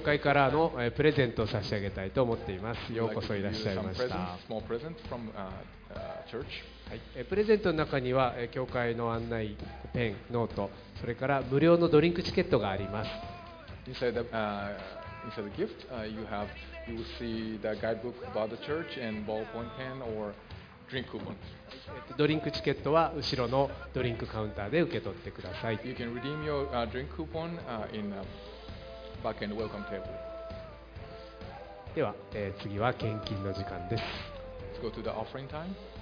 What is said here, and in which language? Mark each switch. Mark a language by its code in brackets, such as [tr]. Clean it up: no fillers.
[ja] 会からのプレゼントを差し上げたいと思っています。ようこそいらっしゃいました。はい、プレゼントの中には教会の案内、ペン、ノート、それから無料のドリンクチケットがあります。 [en] Inside the gift, you will see the guidebook about the church and ballpoint pen or drink coupon. [ja] ドリンクチケットは後ろのドリンクカウンターで受け取ってください。 [en] You can redeem your drink coupon in the back end welcome table. [ja] では、次は献金の時間です。 [en] Let's go to the offering time.